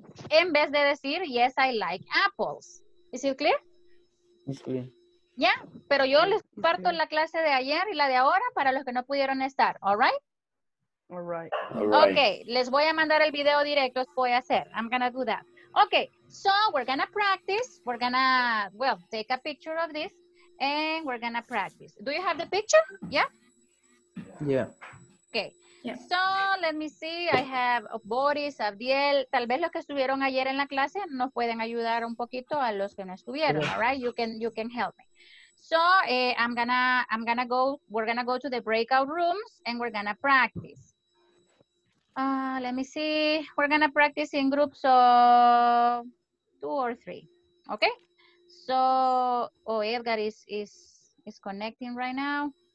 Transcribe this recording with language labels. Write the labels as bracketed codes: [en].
[es] En vez de decir, [en] yes, I like apples. Is it clear? It's clear. [es] Yeah, pero yo les comparto la clase de ayer y la de ahora para los que no pudieron estar. [en] All right? All right. [es] Okay, les voy a mandar el video directo. Voy a hacer. [en] I'm going to do that. Okay, so we're going to practice. We're going to, well, take a picture of this. And we're going to practice. Do you have the picture? Yeah? Yeah. Okay. Yeah. So, let me see. I have Boris, Abdiel. [es] Tal vez los que estuvieron ayer en la clase nos pueden ayudar un poquito a los que no estuvieron. [en] Yeah. All right? You can help me. So, I'm going to go to the breakout rooms and we're going to practice. Let me see. We're gonna practice in groups of 2 or 3. Okay. So, oh, Edgar is connecting right now.